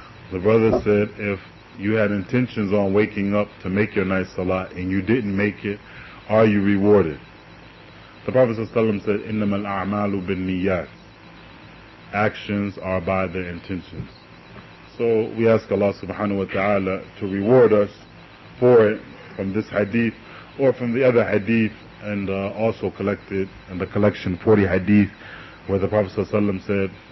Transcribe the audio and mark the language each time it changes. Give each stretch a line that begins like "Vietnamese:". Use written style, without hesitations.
English: The brother said, if you had intentions on waking up to make your night salah and you didn't make it, are you rewarded? The Prophet ﷺ said,
Arabic: إِنَّمَا الْأَعْمَالُ بِالنِّيَّاتِ.
English: Actions are by their intentions. So we ask Allah subhanahu wa ta'ala to reward us for it from this hadith or from the other hadith, and also collected in the collection 40 hadith where the Prophet ﷺ said,